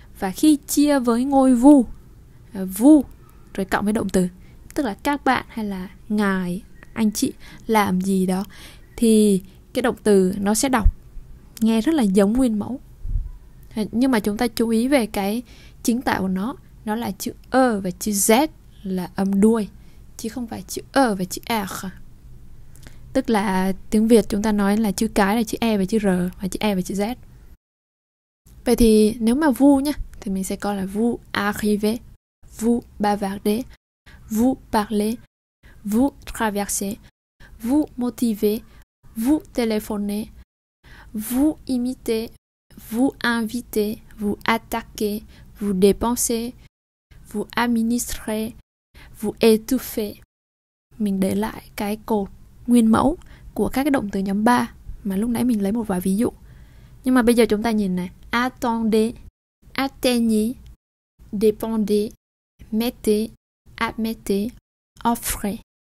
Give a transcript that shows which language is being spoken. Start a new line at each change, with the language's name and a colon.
Vietnamese: Và khi chia với ngôi vous, vous, rồi cộng với động từ, tức là các bạn hay là ngài, anh chị làm gì đó, thì cái động từ nó sẽ đọc nghe rất là giống nguyên mẫu. Nhưng mà chúng ta chú ý về cái chính tả của nó, nó là chữ E và chữ Z là âm đuôi, chứ không phải chữ E và chữ R. Tức là tiếng Việt chúng ta nói là chữ cái là chữ E và chữ R, và chữ E và chữ Z. Vậy thì nếu mà vous nhá, thì mình sẽ coi là
French: vous arrivez, vous bavardez, vous parlez, vous traversez, vous motivez, vous téléphonez, vous imitez, vous invitez, vous attaquez, vous dépensez, vous administrez, vous étouffez.
Vietnamese: Mình để lại cái cột nguyên mẫu của các cái động từ nhóm 3 mà lúc nãy mình lấy một vài ví dụ. Nhưng mà bây giờ chúng ta nhìn này,
French: attendez, atteignez, dépendez, mettez, admettez, offrez.